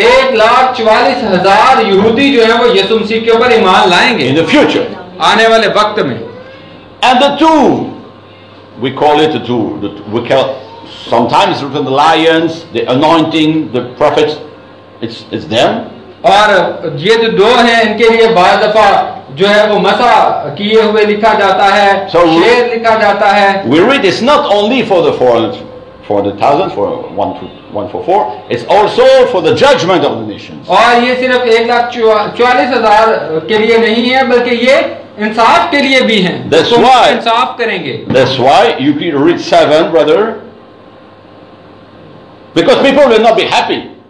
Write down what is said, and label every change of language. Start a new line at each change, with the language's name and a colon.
Hindi: 144,000 यहूदी जो है वो यीशु मसीह के ऊपर ईमान लाएंगे
English: in the future
Hindi: आने वाले वक्त में
English: and the two we call it the two we call sometimes written the lions the anointing the prophets it's them
Hindi: और ये जो दो हैं इनके लिए बार दफा जो है वो मसा किए हुए लिखा जाता है
English: so
Hindi: शेर लिखा जाता है
English: we read it's not only for the 1,144 it's also for the judgment of the nations
Hindi: और ये सिर्फ 144,000 के लिए नहीं है बल्कि ये इंसाफ के लिए भी है
English: that's
Hindi: तो
English: why
Hindi: इंसाफ करेंगे
English: that's why you can read 7 brother because people will not be happy